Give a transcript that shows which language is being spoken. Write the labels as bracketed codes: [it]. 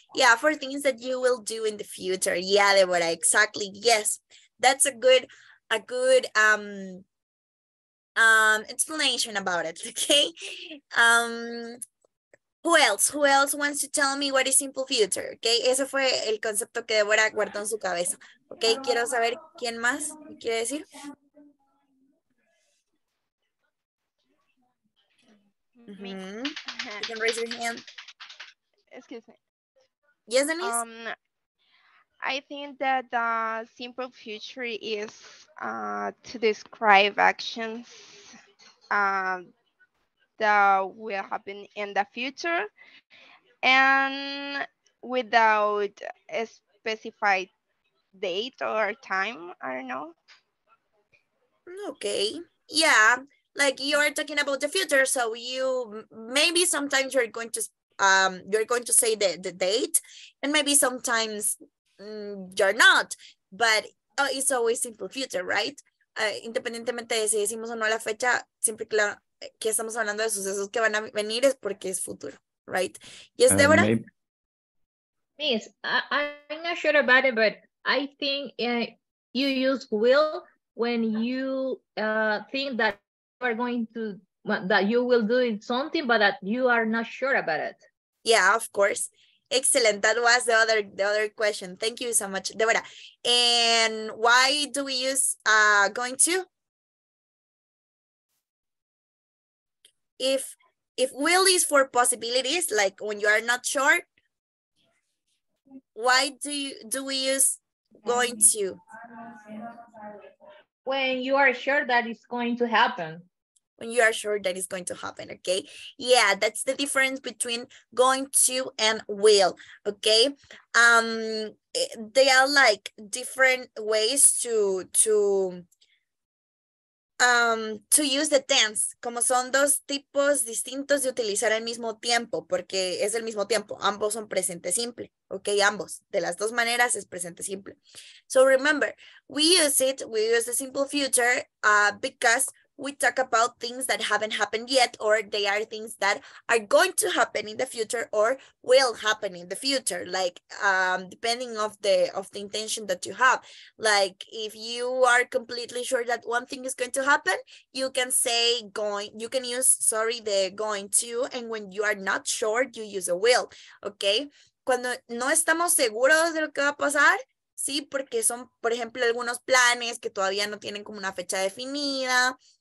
[en] Yeah, for things that you will do in the future. Yeah, Deborah, exactly. Yes. That's a good explanation about it. Okay. Who else wants to tell me what is simple future? [es] Okay, ese fue el concepto que Deborah guardó en su cabeza. Okay, quiero saber quién más quiere decir. Mm-hmm. [en] You can raise your hand. Excuse me. Yes, Denise? I think that the simple future is to describe actions that will happen in the future and without a specified date or time, I don't know. Okay, yeah, like you're talking about the future, so you maybe sometimes you're going to say the date, and maybe sometimes you're not, but it's always simple future, right? [es] Independientemente de si decimos o no la fecha, siempre que estamos hablando de sucesos que van a venir es porque es futuro, right? [en] Yes, Deborah? Miss, I'm not sure about it, but I think you use will when you think that you are going to, that you will do it something, but that you are not sure about it. Yeah, of course. Excellent. That was the other question. Thank you so much, Deborah. And why do we use going to? If will is for possibilities, like when you are not sure, why do we use going to? When you are sure that it's going to happen. When you are sure that it's going to happen, okay? Yeah, that's the difference between going to and will, okay? They are like different ways to use the tense. [es] Como son dos tipos distintos de utilizar el mismo tiempo, porque es el mismo tiempo. Ambos son presente simple, okay? Ambos, de las dos maneras, es presente simple. [en] So remember, we use the simple future because we talk about things that haven't happened yet, or they are things that are going to happen in the future or will happen in the future, like depending of the intention that you have. Like if you are completely sure that one thing is going to happen, you can say the going to, and when you are not sure, you use a will, okay? [es] Cuando no estamos seguros de lo que va a pasar, sí, porque son, por ejemplo, algunos planes que todavía no tienen como una fecha definida.